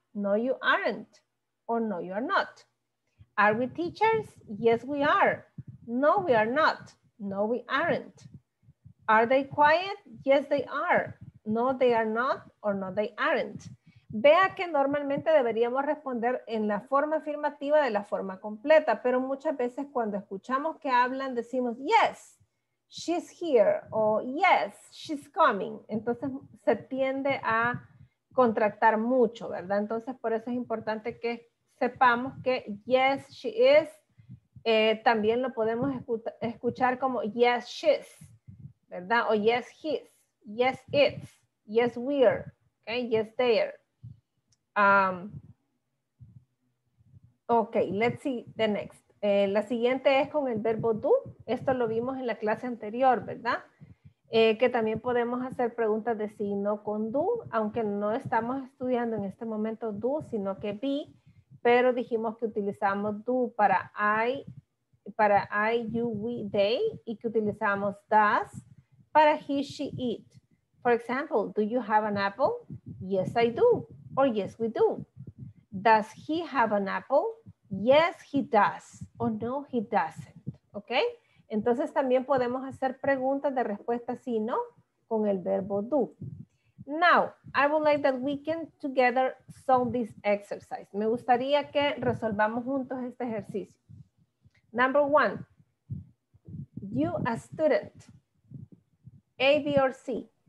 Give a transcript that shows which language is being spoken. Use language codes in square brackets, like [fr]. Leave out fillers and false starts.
[en] No, you aren't, or no, you are not. Are we teachers? Yes, we are. No, we are not. No, we aren't. Are they quiet? Yes, they are. No, they are not, or no, they aren't. [es] Vea que normalmente deberíamos responder en la forma afirmativa de la forma completa, pero muchas veces cuando escuchamos que hablan decimos, [en] yes, she's here, [es] o [en] yes, she's coming. [es] Entonces se tiende a contractar mucho, ¿verdad? Entonces por eso es importante que sepamos que [en] yes, she is, [es] también lo podemos escuchar como [en] yes, she's, [es] ¿verdad? [en] O yes, he's, yes, it's, yes, we're, okay, yes, they're. Okay, let's see the next. [es] La siguiente es con el verbo do. Esto lo vimos en la clase anterior, ¿verdad? Que también podemos hacer preguntas de sí y no con do, aunque no estamos estudiando en este momento do, sino que be, pero dijimos que utilizamos do para I, you, we, they, y que utilizamos does para he, she, it. [en] For example, do you have an apple? Yes, I do. Or yes, we do. Does he have an apple? Yes, he does. Or no, he doesn't. Okay? [es] Entonces también podemos hacer preguntas de respuesta sí o no con el verbo do. [en] Now, I would like that we can together solve this exercise. [es] Me gustaría que resolvamos juntos este ejercicio. [en] Number one, you a student, A, B, or C?